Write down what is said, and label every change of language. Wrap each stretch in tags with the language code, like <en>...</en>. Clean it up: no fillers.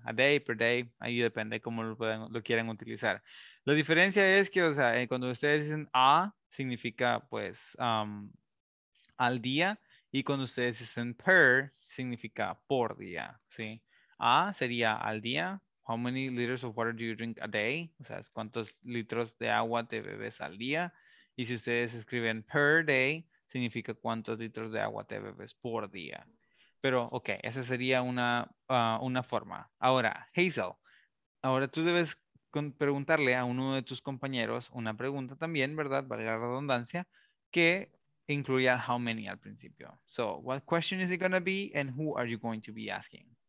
<es>A day, per day, ahí depende cómo lo quieran utilizar. La diferencia es que, o sea, cuando ustedes dicen a, significa, pues, al día. Y cuando ustedes dicen per, significa por día, ¿sí? A sería al día.</es> <en>How many liters of water do you drink a day?</en> <es>O sea, ¿cuántos litros de agua te bebes al día? Y si ustedes escriben per day, significa cuántos litros de agua te bebes por día. Pero, ok, esa sería una forma. Ahora, Hazel, ahora tú debes preguntarle a uno de tus compañeros una pregunta también, ¿verdad? Valga la redundancia, que incluya how many al principio.</es> <en>So, what question is it going to be and who are you going to be asking?</en>